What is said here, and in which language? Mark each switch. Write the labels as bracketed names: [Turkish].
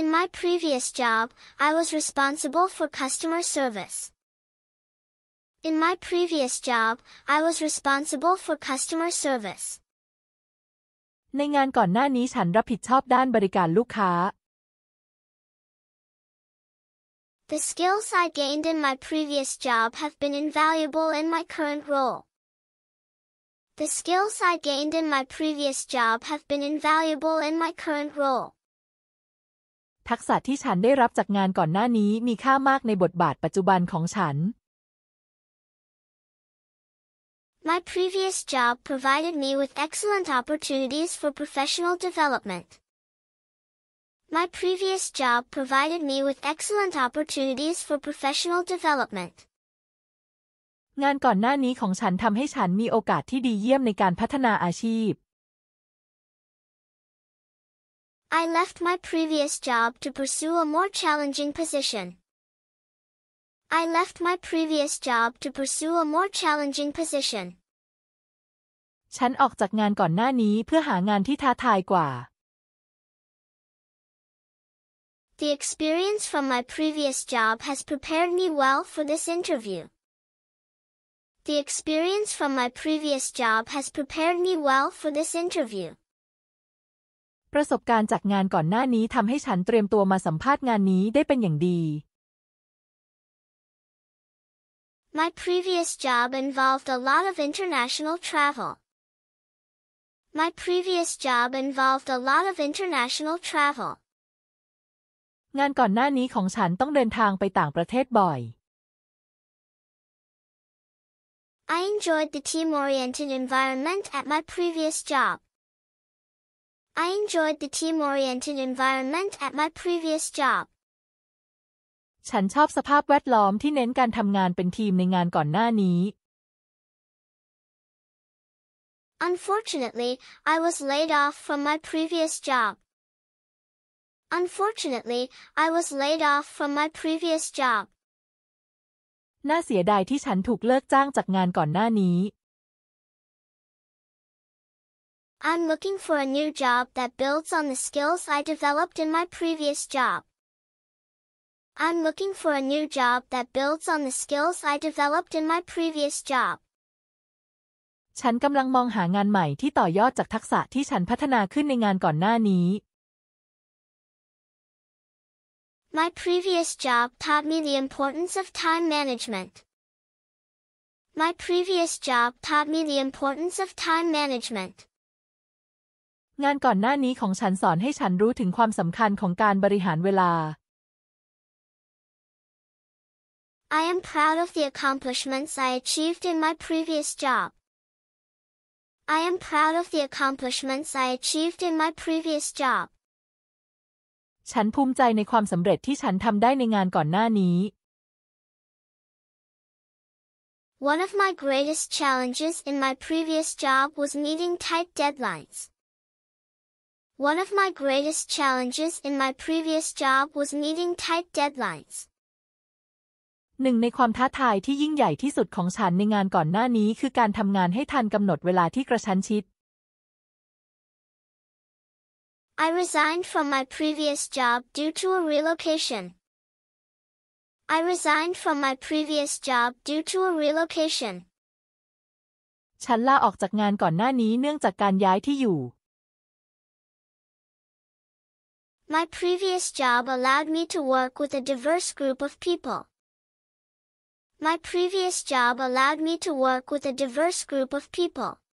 [English] In my previous job, I was responsible for customer service. In my previous job, I was responsible for customer service. [Thai] ในงานก่อนหน้านี้ฉันรับผิดชอบด้านบริการลูกค้า [English] The skills I gained in my previous job have been invaluable in my current role. The skills I gained in my previous job have been invaluable in my current role. [Thai] ทักษะที่ฉันได้รับจากงานก่อนหน้านี้มีค่ามากในบทบาทปัจจุบันของฉัน [English] My previous job provided me with excellent opportunities for professional development. My previous job provided me with excellent opportunities for professional development. [Thai] งานก่อนหน้านี้ของฉันทำให้ฉันมีโอกาสที่ดีเยี่ยมในการพัฒนาอาชีพ [English] I left my previous job to pursue a more challenging position. I left my previous job to pursue a more challenging position. [Thai] ฉันออกจากงานก่อนหน้านี้เพื่อหางานที่ท้าทายกว่า [English] The experience from my previous job has prepared me well for this interview. The experience from my previous job has prepared me well for this interview. [Thai] ประสบการณ์จากงานก่อนหน้านี้ทำให้ฉันเตรียมตัวมาสัมภาษณ์งานนี้ได้เป็นอย่างดี [English] My previous job involved a lot of international travel. My previous job involved a lot of international travel. [Thai] งานก่อนหน้านี้ของฉันต้องเดินทางไปต่างประเทศบ่อย [English] I enjoyed the team-oriented environment at my previous job. I enjoyed the team-oriented environment at my previous job. [Thai] ฉันชอบสภาพแวดล้อมที่เน้นการทำงานเป็นทีมในงานก่อนหน้านี้ [English] Unfortunately, I was laid off from my previous job. Unfortunately, I was laid off from my previous job. [Thai] น่าเสียดายที่ฉันถูกเลิกจ้างจากงานก่อนหน้านี้ [English] I'm looking for a new job that builds on the skills I developed in my previous job. I'm looking for a new job that builds on the skills I developed in my previous job. [Thai] ฉันกำลังมองหางานใหม่ที่ต่อยอดจากทักษะที่ฉันพัฒนาขึ้นในงานก่อนหน้านี้ [English] My previous job taught me the importance of time management. My previous job taught me the importance of time management. [Thai] งานก่อนหน้านี้ของฉันสอนให้ฉันรู้ถึงความสำคัญของการบริหารเวลา [English] I am proud of the accomplishments I achieved in my previous job. I am proud of the accomplishments I achieved in my previous job. [Thai] ฉันภูมิใจในความสำเร็จที่ฉันทำได้ในงานก่อนหน้านี้ [English] One of my greatest challenges in my previous job was meeting tight deadlines. One of my greatest challenges in my previous job was meeting tight deadlines. [Thai] หนึ่งในความท้าทายที่ยิ่งใหญ่ที่สุดของฉันในงานก่อนหน้านี้คือการทำงานให้ทันกำหนดเวลาที่กระชั้นชิด [English] I resigned from my previous job due to a relocation. I resigned from my previous job due to a relocation. [Thai] ฉันลาออกจากงานก่อนหน้านี้เนื่องจากการย้ายที่อยู่ [English] My previous job allowed me to work with a diverse group of people. My previous job allowed me to work with a diverse group of people.